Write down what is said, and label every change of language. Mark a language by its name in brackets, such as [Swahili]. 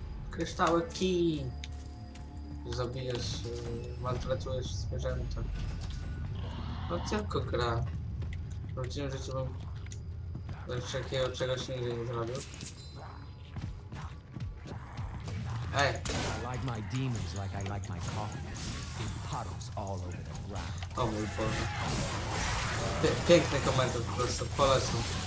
[Polish] Kryształy ki! Zabijesz, maltretujesz zwierzęta. No tylko gra. W prawdziwym życiu bym takiego czegoś nigdy nie zrobił. Ej! [English] Like my demons, like I like my coffee. In puddles all over the ground. [Polish] O mój Boże. Piękny komentarz po prostu, polecam.